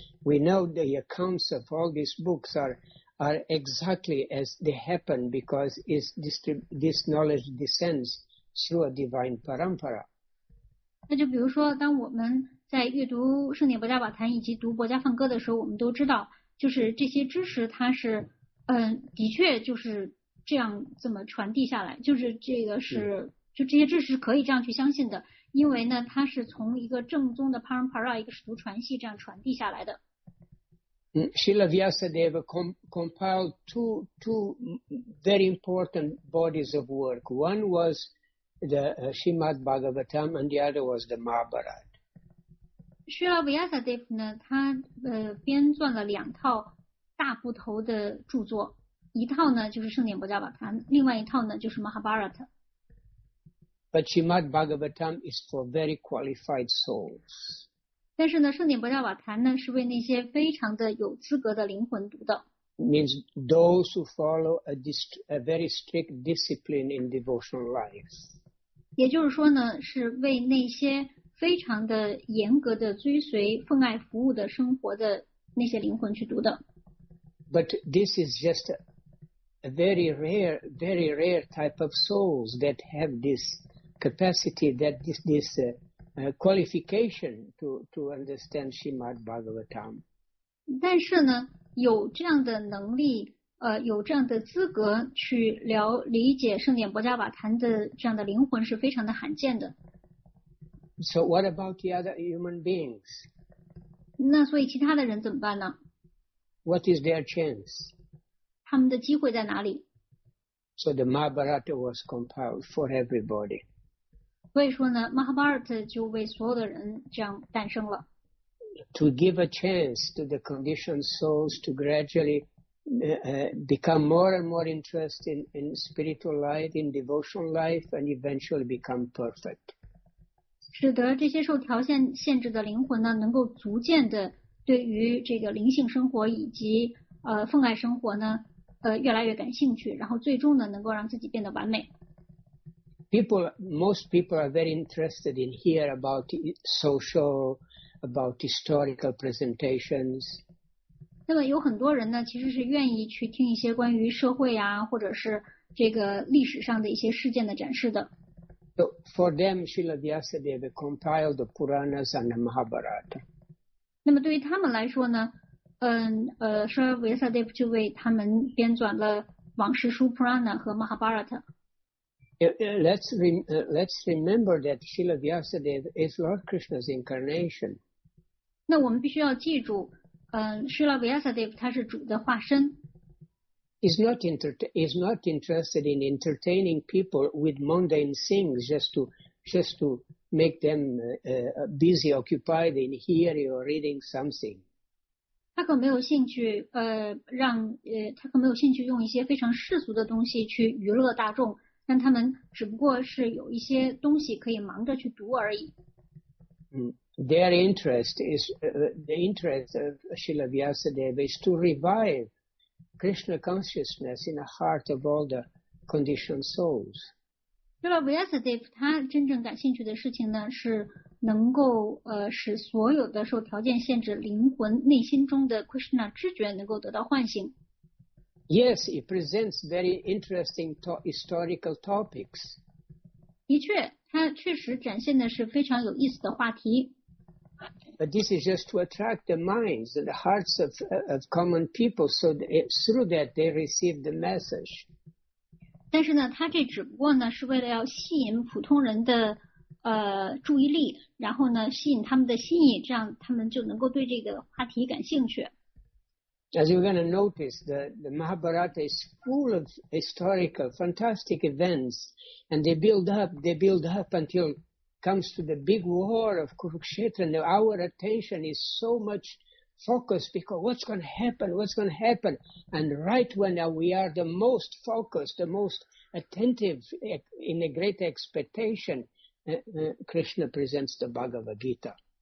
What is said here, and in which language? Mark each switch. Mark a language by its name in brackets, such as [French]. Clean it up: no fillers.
[English] We know the accounts of all these books are exactly as they happen because this knowledge descends through a divine parampara. [Chinese] 那就比如说，当我们在阅读圣典《博迦瓦坛》以及读《博迦梵歌》的时候，我们都知道，就是这些知识它是的确就是这样这么传递下来，就是这个是。就这些知识可以这样去相信的，因为呢，它是从一个正宗的 parampara 一个使徒传系这样传递下来的。 [English] Srila Vyasadeva compiled two very important bodies of work. One was the Srimad Bhagavatam, and the other was the Mahabharata. [Chinese] Srila Vyasadeva 呢，他编撰了两套大部头的著作，一套呢就是《圣典博迦瓦坛》，另外一套呢就是《Mahabharata》。 [English] But Srimad Bhagavatam is for very qualified souls. [Chinese] 但是呢，圣典博迦瓦坛呢是为那些非常的有资格的灵魂读的。 [English] Means those who follow a very strict discipline in devotional life. [Chinese] 也就是说呢，是为那些非常的严格的追随奉爱服务的生活的那些灵魂去读的。 [English] But this is just a very rare type of souls that have this. Capacity that this qualification to understand Srimad Bhagavatam. [Chinese] 但是呢，有这样的能力，有这样的资格去理解圣典博迦瓦坛的这样的灵魂是非常的罕见的。 [English] So what about the other human beings? [Chinese] 那所以其他的人怎么办呢？ [English] What is their chance? [Chinese] 他们的机会在哪里？ [English] So the Mahabharata was compiled for everybody. [Chinese] 所以说呢 ，Mahabharata 就为所有的人这样诞生了。 [English] To give a chance to the conditioned souls to gradually become more and more interested in spiritual life, in devotional life, and eventually become perfect. [Chinese] 使得这些受条件限制的灵魂呢，能够逐渐的对于这个灵性生活以及奉爱生活呢，越来越感兴趣，然后最终呢，能够让自己变得完美。 [English] Most people are very interested in hear about social, about historical presentations. [Chinese] 那么有很多人呢，其实是愿意去听一些关于社会啊，或者是这个历史上的一些事件的展示的。 [English] So for them, Srila Vyasadeva compiled the Puranas and the Mahabharata. [Chinese] 那么对于他们来说呢，Srila Vyasadeva 就为他们编纂了往事书 Purana 和 Mahabharata。 [English] Let's remember that Srila Vyasadeva is Lord Krishna's incarnation. [Chinese] 那我们必须要记住，Srila Vyasadeva 他是主的化身。 [English] Is not interested in entertaining people with mundane things just to make them busy, occupied in hearing or reading something. [Chinese] 他可没有兴趣，他可没有兴趣用一些非常世俗的东西去娱乐大众，但他们只不过是有一些东西可以忙着去读而已。 [English] Their interest is the interest of Srila Vyasadeva is to revive Krishna consciousness in the heart of all the conditioned souls. [Chinese] Srila Vyasadeva 他真正感兴趣的事情呢，是能够使所有的受条件限制灵魂内心中的 Krishna 知觉能够得到唤醒。 [English] Yes, it presents very interesting historical topics. [Chinese] 的确，它确实展现的是非常有意思的话题。 [English] But this is just to attract the minds and the hearts of common people, so through that they receive the message. [Chinese] 但是呢，它这只不过呢是为了要吸引普通人的注意力，然后呢吸引他们的心意，这样他们就能够对这个话题感兴趣。 [English] As you're going to notice, the Mahabharata is full of historical, fantastic events, and they build up until comes to the big war of Kurukshetra, and our attention is so much focused because what's going to happen, and right when we are the most focused, the most attentive, in a great expectation, Krishna presents the Bhagavad Gita.